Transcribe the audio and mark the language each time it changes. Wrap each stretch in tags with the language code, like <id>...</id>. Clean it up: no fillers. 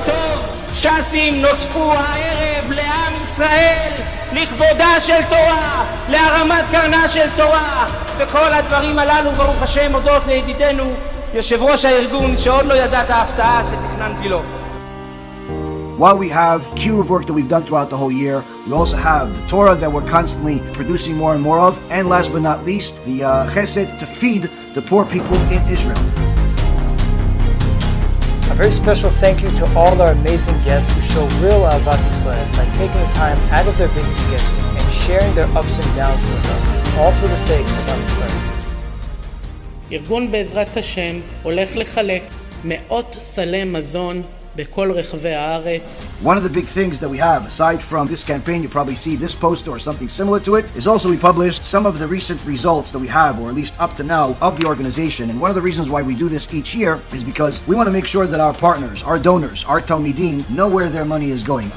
<he>טוב, ש"סים נוספו הערב לעם ישראל לכבודה של תורה, להרמת קרנה של תורה, וכל הדברים הללו ברוך השם הודות לידידנו יושב ראש הארגון שעוד לא ידע את ההפתעה שתכננתי לו.</he> <en>While we have Kiruv work that we've done throughout the whole year, we also have the Torah that we're constantly producing more and more of, and last but not least, the Chesed to feed the poor people in Israel. A very special thank you to all our amazing guests who show real Ahavat Yisrael by taking the time out of their busy schedule and sharing their ups and downs with us, all for the sake of Ahavat Yisrael.</en> <he>Yergun Be'ezrat Hashem הולך לחלק מאות סלי מזון בכל רחבי הארץ.</he> <en>One of the big things that we have, aside from this campaign, you probably see this poster or something similar to it, is also we published some of the recent results that we have, or at least up to now, of the organization. And one of the reasons why we do this each year is because we want to make sure that our partners, our donors, our Talmidim, know where their money is going.</en>